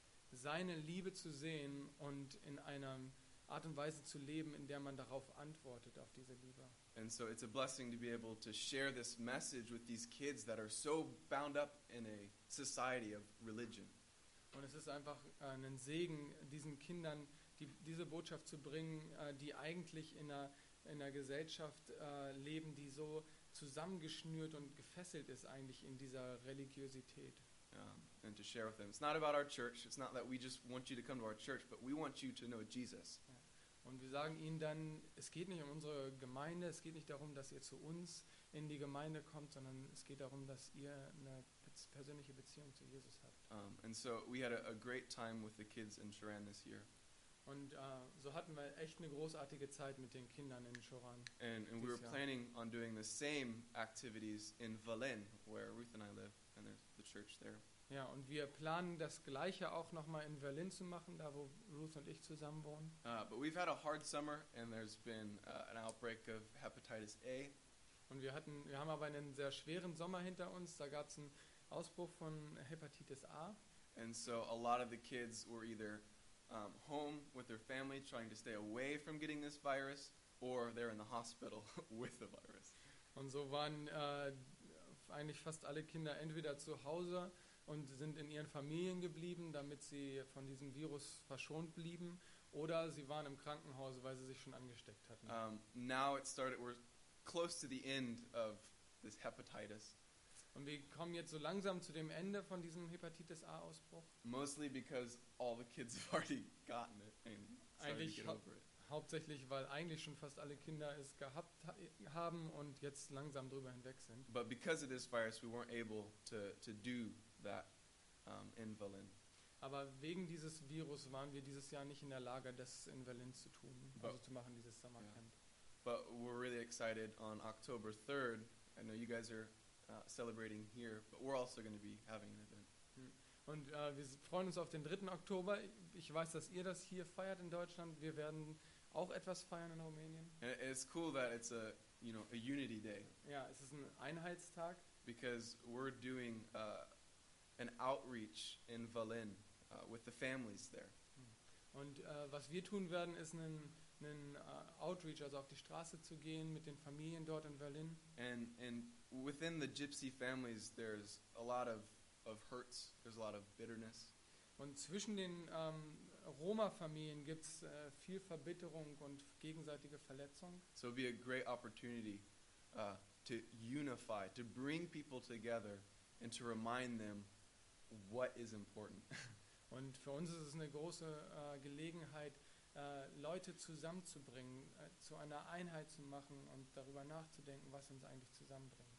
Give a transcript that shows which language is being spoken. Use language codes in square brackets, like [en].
[de] Seine Liebe zu sehen und in einer Art und Weise zu leben, in der man darauf antwortet, auf diese Liebe. [en] And so it's a blessing to be able to share this message with these kids that are so bound up in a society of religion. [de] Und es ist einfach ein Segen, diesen Kindern diese Botschaft zu bringen, die eigentlich in einer Gesellschaft leben, die so zusammengeschnürt und gefesselt ist eigentlich in dieser Religiosität. [en] And to share with them. It's not about our church. It's not that we just want you to come to our church, but we want you to know Jesus. [de] Und wir sagen ihnen dann, es geht nicht um unsere Gemeinde, es geht nicht darum, dass ihr zu uns in die Gemeinde kommt, sondern es geht darum, dass ihr eine persönliche Beziehung zu Jesus habt. [en] And so we had a great time with the kids in Choran this year. [de] Und so hatten wir echt eine großartige Zeit mit den Kindern in Choran. [en] And we were planning on doing the same activities in Valen, where Ruth and I live, and there's the church there. [de] Ja, und wir planen das Gleiche auch nochmal in Valen zu machen, da wo Ruth und ich zusammen wohnen. [en] But we've had a hard summer, and there's been an outbreak of hepatitis A. [de] Und wir haben aber einen sehr schweren Sommer hinter uns. Da gab es einen Ausbruch von Hepatitis A. [en] And so a lot of the kids were either home with their family trying to stay away from getting this virus, or they're in the hospital with the virus. [de] Und so waren eigentlich fast alle Kinder entweder zu Hause und sind in ihren Familien geblieben, damit sie von diesem Virus verschont blieben, oder sie waren im Krankenhaus, weil sie sich schon angesteckt hatten. [en] Now it started, we're close to the end of this hepatitis. [de] Und wir kommen jetzt so langsam zu dem Ende von diesem Hepatitis A Ausbruch. [en] Mostly because all the kids have already gotten it and [de] eigentlich [en] started to get over it. [de] Hauptsächlich weil eigentlich schon fast alle Kinder es gehabt haben und jetzt langsam drüber hinweg sind. [en] But because of this virus we weren't able to do that in Valen. [de] Aber wegen dieses Virus waren wir dieses Jahr nicht in der Lage das in Valen zu tun, [en] but, [de] also zu machen dieses Summer Camp. [en] Yeah. But we're really excited on October 3rd. I know you guys are celebrating here, but we're also going to be having an event. [de] Und wir freuen uns auf den 3. Oktober. Ich weiß, dass ihr das hier feiert in Deutschland. Wir werden auch etwas feiern in Rumänien. [en] It's cool that it's a, you know, a unity day. [de] Ja, es ist ein Einheitstag. [en] Because we're doing an outreach in Valen with the families there. [de] Und was wir tun werden, ist einen Outreach, also auf die Straße zu gehen mit den Familien dort in Valen. [en] And within the gypsy families there's a lot of hurts, there's a lot of bitterness. [de] Und zwischen den Roma Familien gibt's viel Verbitterung und gegenseitige Verletzung. [en] So it'd be a great opportunity to unify, to bring people together and to remind them what is important. [de] Und für uns ist es eine große Gelegenheit, Leute zusammenzubringen, zu einer Einheit zu machen und darüber nachzudenken, was uns eigentlich zusammenbringt.